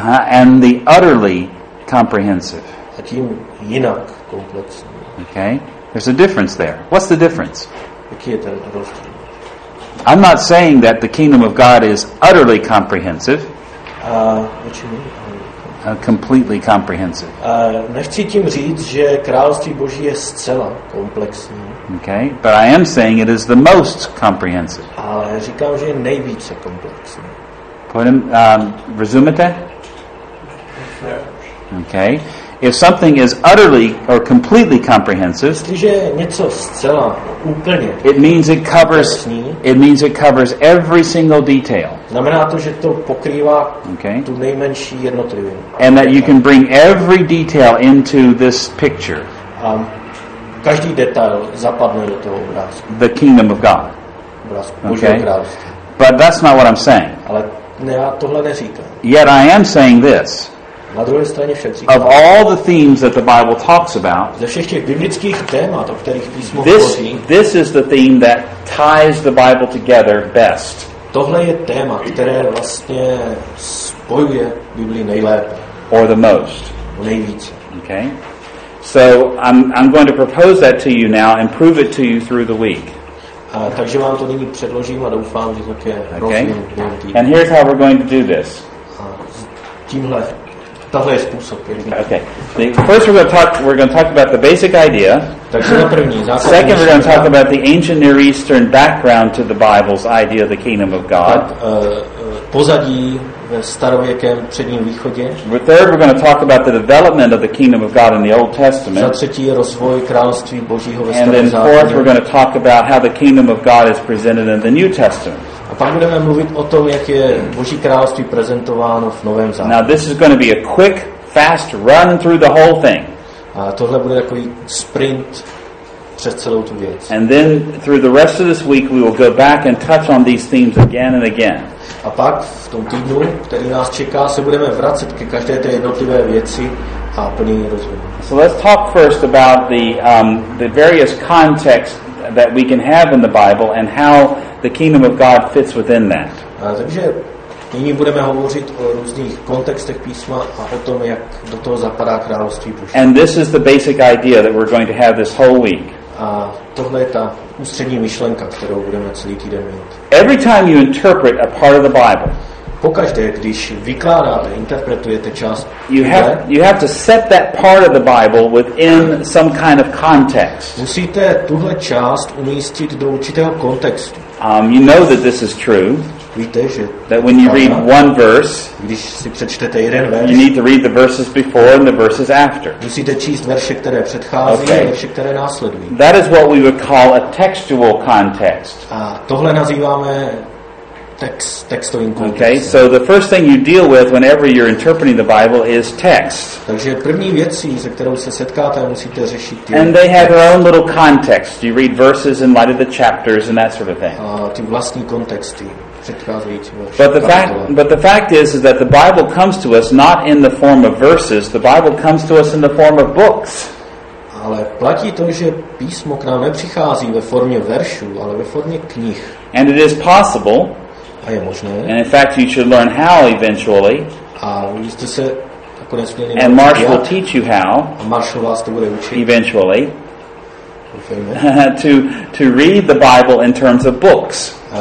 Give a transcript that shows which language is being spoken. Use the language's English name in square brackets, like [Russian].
[English] and the utterly comprehensive. [Czech] A tím jinak komplexní. [English] Okay? There's a difference there. What's the difference? [Czech] Jaký je ten rozdíl? [English] I'm not saying that the kingdom of God is utterly comprehensive. What you mean? Completely comprehensive. [Czech] Nechci tím říct, že království Boží je zcela komplexní. [English] Okay, but I am saying it is the most comprehensive. [Czech] Ale říkám, že je nejvíce komplexní. Rozumíte? [English] Okay, if something is utterly or completely comprehensive, [Czech] jestliže něco zcela úplně, [English] it means it covers every single detail. [Czech] Znamená to, že to pokrývá tu nejmenší jednotlivinu. [English] And that you can bring every detail into this picture. [Czech] Každý detail zapadne do toho obrázku. [English] The kingdom of God. Okay. But that's not what I'm saying. [Czech] Ale já tohle neříkám. [English] Yet I am saying this. [Czech] Na druhé straně však říkám. [English] Of all the themes that the Bible talks about, [Czech] ze všech těch biblických témat, o kterých písmo hovoří, [English] this is the theme that ties the Bible together best. [Czech] Tohle je téma, které vlastně spojuje Bibli nejlépe. [English] Or the most. [Czech] Nejvíce. [English] Okay. So I'm going to propose that to you now and prove it to you through the week. [Czech] Takže vám to nyní předložím a doufám, že to je rozumím. [English] And here's how we're going to do this. [Czech] Tímhle. Tohle je způsob. [English] Okay. First we're going to talk about the basic idea. [Czech] Takže na první, základní [English] Second, we're going to talk about the ancient Near Eastern background to the Bible's idea of the kingdom of God. [Czech] Pozadí ve starověkém předním východě. [English] For third, we're going to talk about the development of the kingdom of God in the Old Testament. [Czech] Za třetí rozvoj království Božího ve starém zákoně. [English] And then fourth, we're going to talk about how the kingdom of God is presented in the New Testament. [Czech] A pak budeme mluvit o tom, jak je Boží království prezentováno v Novém zákoně. [English] Now this is going to be a quick, fast run through the whole thing. [Czech] A tohle bude takový sprint přes celou tu věc. [English] And then through the rest of this week we will go back and touch on these themes again and again. [Czech] A pak v tom týdnu, který nás čeká, se budeme vracet ke každé té jednotlivé věci a plně ji rozvíjet. [English] So let's talk first about the various contexts that we can have in the Bible and how the kingdom of God fits within that. [Czech] Takže nyní budeme hovořit o různých kontextech písma a o tom, jak do toho zapadá království Boží. [English] And this is the basic idea that we're going to have this whole week. [Czech] A tohle je ta ústřední myšlenka, kterou budeme celý týden mít. [English] Every time you interpret a part of the Bible, [Czech] pokaždé, když vykládáte, interpretujete část, [English] you have to set that part of the Bible within some kind of context. [Czech] Musíte tuhle část umístit do určitého kontextu. [English] You know that this is true. [Czech] Víte, že [English] that when you read one verse, [Czech] když si přečtete jeden verš, [English] you need to read the verses before and the verses after. [Czech] Musíte číst verše, které předchází, okay. A verše, které následují. [English] That is what we would call a textual context. [Czech] A tohle nazýváme textovým kontextem. [English] Okay, so the first thing you deal with whenever you're interpreting the Bible is text. [Czech] Takže první věcí, se kterou se setkáte, musíte řešit [English] text. And they have their own little context. You read verses in light of the chapters and that sort of thing. [Czech] Ty vlastní kontexty. [English] But the fact is that the Bible comes to us not in the form of verses. The Bible comes to us in the form of books. [Czech] Ale platí to, že písmo k nám nepřichází ve formě veršů, ale ve formě knih. [English] And it is possible. [Czech] A je možné. [English] And in fact, you should learn how eventually. [Czech] A jste se nakonec měli naučit. [English] And Marsh will teach you how. [Czech] A Marshall vás to bude učit. [English] Eventually. to read the Bible in terms of books.